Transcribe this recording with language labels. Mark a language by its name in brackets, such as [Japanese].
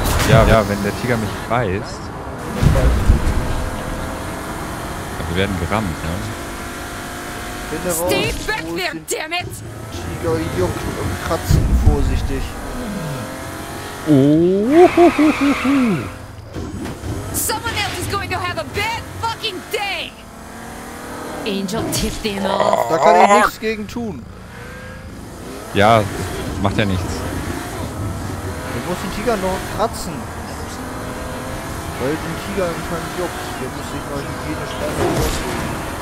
[German] Ja, wenn der Tiger mich beißt. Wir werden gerammt, ne? Steht weg, verdammt! Tiger juckt und kratzt vorsichtig. Ohohohoho! [English] Someone else is going to have a bad fucking day! Angel tipped them off. [German] Da kann ich nichts gegen tun. Ja, macht ja nichts. Du musst den Tiger noch kratzen. Weil den Tiger anscheinend juckt. Der muss sich mal jede Sperre rausholen.